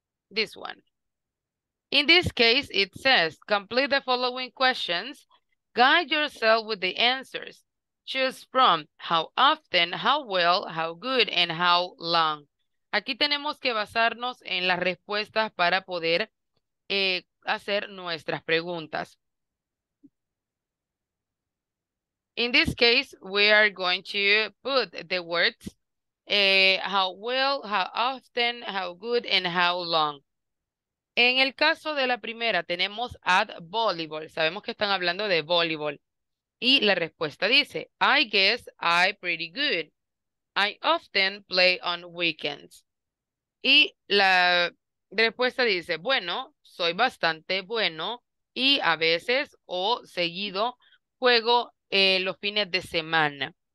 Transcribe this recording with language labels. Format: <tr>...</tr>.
<en>This one. In this case, it says, complete the following questions. Guide yourself with the answers. Choose from how often, how well, how good, and how long.</en> <es>Aquí tenemos que basarnos en las respuestas para poder hacer nuestras preguntas.</es> <en>In this case, we are going to put the words how well, how often, how good, and how long.</en> <es>En el caso de la primera, tenemos at volleyball. Sabemos que están hablando de volleyball. Y la respuesta dice, I guess I'm pretty good. I often play on weekends. Y la respuesta dice, bueno, soy bastante bueno y a veces o seguido juego los fines de semana.</es>